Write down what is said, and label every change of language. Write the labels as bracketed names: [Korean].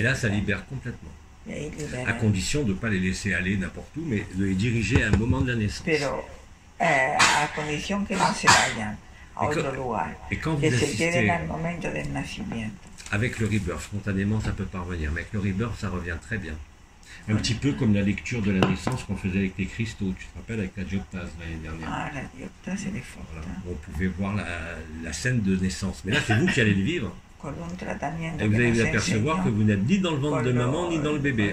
[French] Et là, ça libère complètement. [Spanish] Y ahí libera. [French] À condition de ne pas les laisser aller n'importe où, mais de les diriger à un moment de la naissance. [Spanish] Pero a condición que no se vayan a otro lugar. [French] Et quand [Spanish] que [French] vous [Spanish] se queden al momento del nacimiento. [French] Avec le rebirth, spontanément, ça ne peut pas revenir. Mais avec le rebirth, ça revient très bien. Un petit peu comme la lecture de la naissance qu'on faisait avec les cristaux, tu te rappelles, avec la dioptase l'année dernière. Ah, la dioptase, elle est forte. Voilà. On pouvait voir la scène de naissance. Mais là, c'est vous qui allez le vivre. Et vous allez vous apercevoir que vous n'êtes ni dans le ventre de maman, ni dans le bébé.